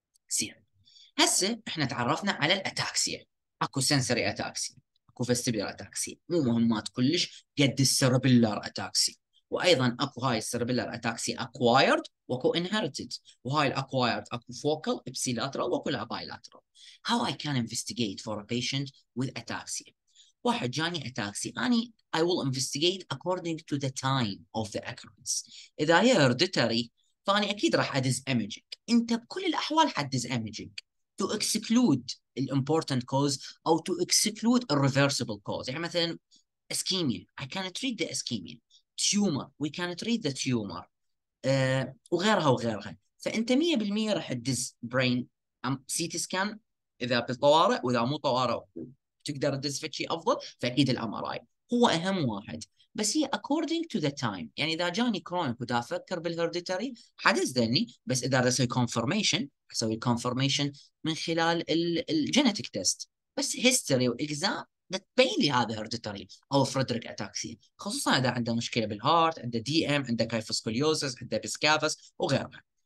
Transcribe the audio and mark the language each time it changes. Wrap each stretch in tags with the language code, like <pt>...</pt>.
<ar>زين، هسه احنا تعرفنا على الاتاكسيا، اكو سنسري اتاكسيا، اكو فيستيبيلار اتاكسيا، مو مهمات كلش قد السيربيلار اتاكسيا. وايضا اكو هاي السيربيلار اتاكسيا اكوايرد واكو انهيرتد، وهاي الاكوايرد اكو فوكال ابسيلاترال واكو لابايلاترال.</ar> <en>How I can investigate for a patient with ataxia.</en> <ar>واحد جاني اتاكسي، اني</ar> <en>I will investigate according to the time of the occurrence.</en> <ar>اذا هي hereditary فاني اكيد راح ادز imaging. انت بكل الاحوال حدز</ar> <en>imaging to exclude the important cause او to exclude a reversible cause. يعني مثلا ischemia I can treat the ischemia, tumor we can treat the tumor</en> <ar>وغيرها وغيرها. فانت 100% راح تدز brain CT scan اذا بالطوارئ، واذا مو طوارئ تقدر تدز فتشي افضل فاكيد الام ار اي هو اهم واحد. بس هي according to the time، يعني إذا جاني كرونيك وده أفكر بالهيرديتري حتزدني، بس إذا أسوي confirmation أسوي confirmation من خلال الجينيتيك تيست، بس history وإكزام تبين لي هذا هيرديتري أو فريدريك أتاكسيا، خصوصا إذا عنده مشكلة بالهارت، عنده دي إم، عنده كايفوسكوليوزس، عنده بيسكافس وغيرها.</ar>